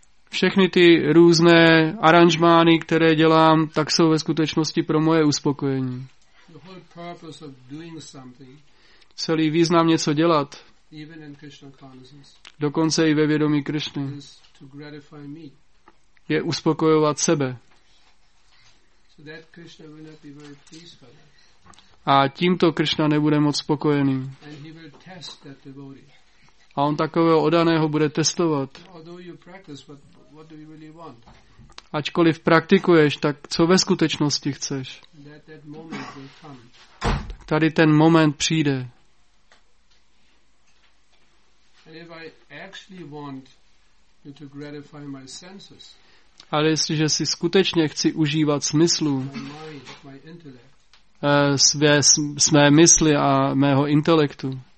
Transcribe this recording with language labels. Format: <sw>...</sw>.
<cs>Všechny ty různé aranžmány, které dělám, tak jsou ve skutečnosti pro moje uspokojení.</cs> <en>The whole purpose of doing something,</en> <cs>celý význam něco dělat,</cs> <en>even in Krishna consciousness,</en> <cs>dokonce i ve vědomí Krishny,</cs> <en>is to gratify me.</en> <cs>Je uspokojovat sebe.</cs> <en>So that Krishna will not be very pleased by that.</en> <cs>A tímto Krishna nebude moc spokojený.</cs> <en>And he will test that devotee.</en> <cs>A on takového oddaného bude testovat.</cs> <en>Although you practice, but what do you really want?</en> <cs>Ačkoliv praktikuješ, tak co ve skutečnosti chceš?</cs> <en>That moment will come.</en> <cs>Tak tady ten moment přijde.</cs> <en>And if I actually want you to gratify my senses,</en> <cs>ale jestliže si skutečně chci užívat smyslu,</cs> <en>my intellect,</en> <cs>své mysli a mého intelektu,</cs>